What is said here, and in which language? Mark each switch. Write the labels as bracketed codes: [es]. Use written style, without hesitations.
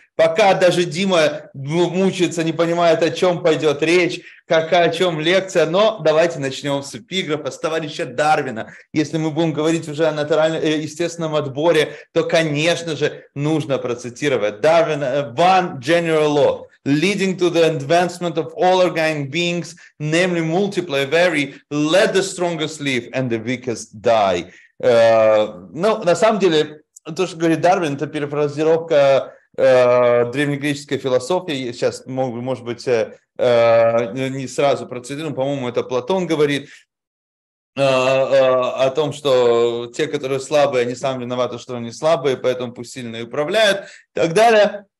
[ru] Пока даже Дима мучается, не понимает, о чем пойдет речь, какая, о чем лекция, но давайте начнем с эпиграфа, с товарища Дарвина. Если мы будем говорить уже о натуральном, естественном отборе, то, конечно же, нужно процитировать. [en] Дарвин, one general law. Leading to the advancement of all organic beings, namely multiply, vary, let the strongest live and the weakest die. [ru] Ну, на самом деле, то, что говорит Дарвин, это перефразировка древнегреческой философии. Я сейчас, может быть, не сразу процитирую, по-моему, это Платон говорит о том, что те, которые слабые, они сами виноваты, что они слабые, поэтому пусть сильные управляют и так далее.